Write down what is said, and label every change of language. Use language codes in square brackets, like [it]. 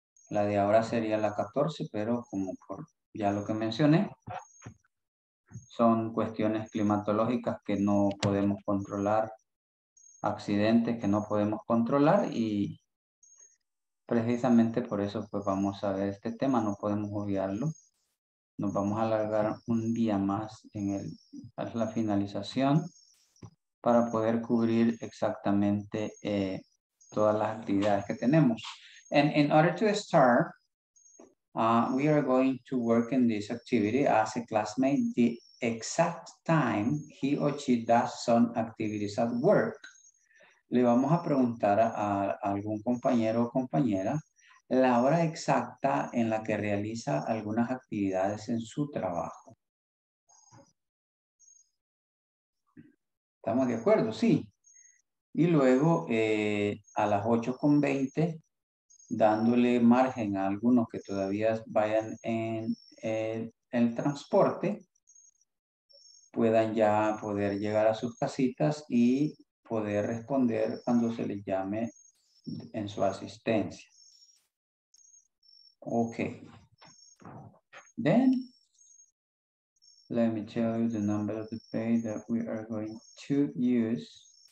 [es] La de ahora sería la 14, pero como por ya lo que mencioné, son cuestiones climatológicas que no podemos controlar, accidentes que no podemos controlar, y precisamente por eso pues vamos a ver este tema, no podemos obviarlo. Nos vamos a alargar un día más en el, a la finalización para poder cubrir exactamente todas las actividades que tenemos. [en] And in order to start, we are going to work in this activity. As a classmate, the exact time he or she does some activities at work. [es] Le vamos a preguntar a algún compañero o compañera la hora exacta en la que realiza algunas actividades en su trabajo. ¿Estamos de acuerdo? Sí. Y luego a las 8:20. Dándole margen a algunos que todavía vayan en el transporte, puedan ya poder llegar a sus casitas y poder responder cuando se les llame en su asistencia. [en] Okay. Then, let me tell you the number of the page that we are going to use.